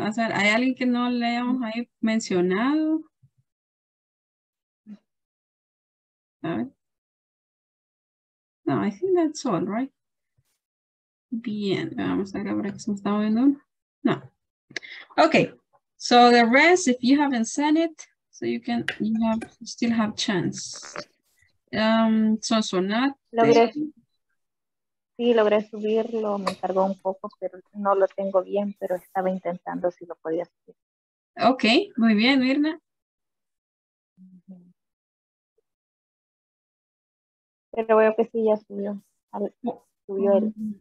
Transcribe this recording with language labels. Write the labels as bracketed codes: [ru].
[es] O sea, ¿hay alguien que no le hayamos ahí mencionado? [en] No, I think that's all, right? [es] Bien, vamos a ver que se me está moviendo. No. [en] Okay, so the rest, if you haven't sent it, so you can, you still have chance. Sonsonat. [es] Sí, logré subirlo, me cargó un poco, pero no lo tengo bien, pero estaba intentando si lo podía subir. Ok, muy bien, Mirna. Pero veo que sí, ya subió. Subió el.